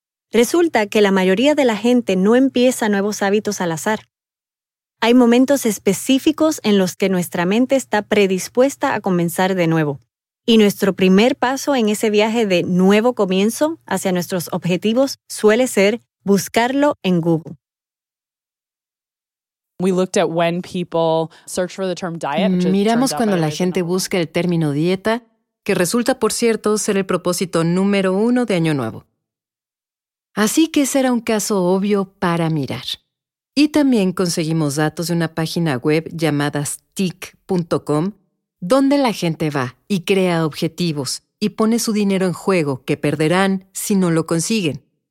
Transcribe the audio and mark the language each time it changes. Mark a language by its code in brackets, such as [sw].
[es] Resulta que la mayoría de la gente no empieza nuevos hábitos al azar. Hay momentos específicos en los que nuestra mente está predispuesta a comenzar de nuevo. Y nuestro primer paso en ese viaje de nuevo comienzo hacia nuestros objetivos suele ser buscarlo en Google. [en] We looked at when people search for the term diet. [es] Miramos cuando la gente busca el término dieta, que resulta, por cierto, ser el propósito número uno de Año Nuevo. Así que ese era un caso obvio para mirar. Y también conseguimos datos de una página web llamada stick.com, donde la gente va y crea objetivos y pone su dinero en juego que perderán si no lo consiguen.